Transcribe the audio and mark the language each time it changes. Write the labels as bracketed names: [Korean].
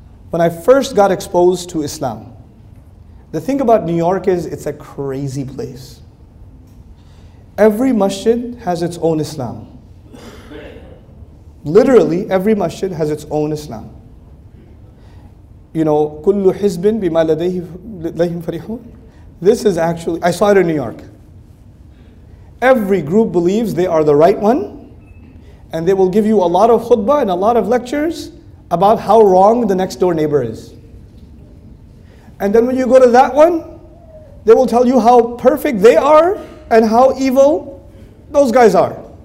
[English] When I first got exposed to Islam, the thing about New York is it's a crazy place. Every masjid has its own Islam. Literally, every masjid has its own Islam. [Arabic] You know, كُلُّ حِزْبٍ بِمَا لَدَيْهِمْ فَرِحُونَ. [English] This is actually, I saw it in New York. Every group believes they are the right one, and they will give you a lot of khutbah and a lot of lectures about how wrong the next door neighbor is. And then when you go to that one, they will tell you how perfect they are and how evil those guys are.